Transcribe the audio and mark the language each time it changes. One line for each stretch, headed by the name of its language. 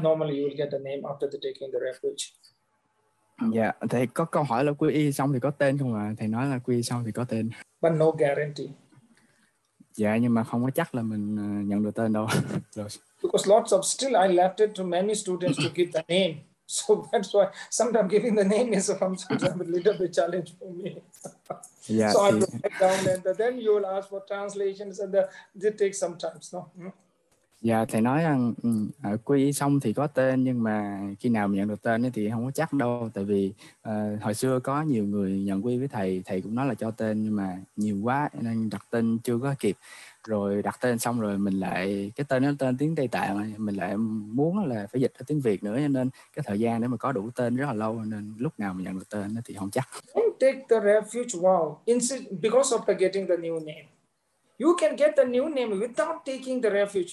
English: Normally, you will get the name after the taking the refuge. Yeah.
Vietnamese: Thầy có câu hỏi là quy y xong thì có tên không ạ? Thầy nói là quy y xong thì có tên.
English: But no guarantee.
Vietnamese: Dạ, nhưng mà không có chắc là mình nhận được tên đâu.
English: Because lots of still, I left it to many students to give the name. So that's why sometimes giving the name is sometimes a little bit challenge for me. Yeah, so I write down and then you will ask for translations and they take some time, no?
Vietnamese: Yeah, thầy nói rằng quy y xong thì có tên nhưng mà khi nào mình nhận được tên thì không có chắc đâu. Tại vì hồi xưa có nhiều người nhận quy với thầy, thầy cũng nói là cho tên nhưng mà nhiều quá nên đặt tên chưa có kịp. Rồi đặt tên xong rồi mình lại cái tên nó tên tiếng Tây Tạng, mình lại muốn là phải dịch ra tiếng Việt nữa, cho nên cái thời gian để mà có đủ tên rất là lâu, nên lúc nào mình nhận được tên thì không chắc.
English: Don't take the refuge vow because of the getting the new name. You can get the new name without taking the refuge.